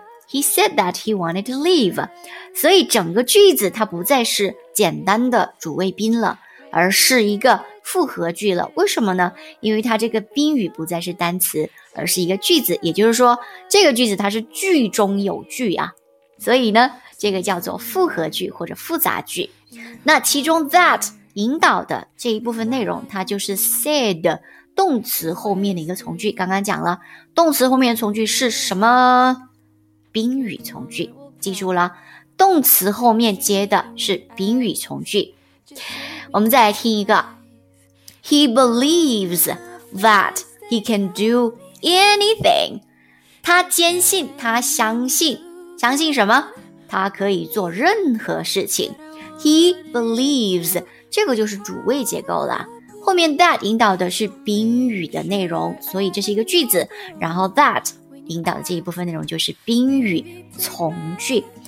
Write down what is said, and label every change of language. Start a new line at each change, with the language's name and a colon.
English: He said that he wanted to leave.
Chinese: 所以整个句子它不再是简单的主谓宾了，而是一个复合句了。为什么呢？因为它这个宾语不再是单词，而是一个句子，也就是说这个句子它是句中有句啊，所以呢这个叫做复合句或者复杂句。那其中 that 引导的这一部分内容，它就是 said 动词后面的一个从句。刚刚讲了动词后面的从句是什么？宾语从句，记住了，动词后面接的是宾语从句。我们再来听一个。
English: He believes that he can do anything.
Chinese: 他坚信，他相信，相信什么？他可以做任何事情。
English: He believes，
Chinese: 这个就是主谓结构了。后面 that 引导的是宾语的内容，所以这是一个句子。然后 that 引导的这一部分内容就是宾语从句。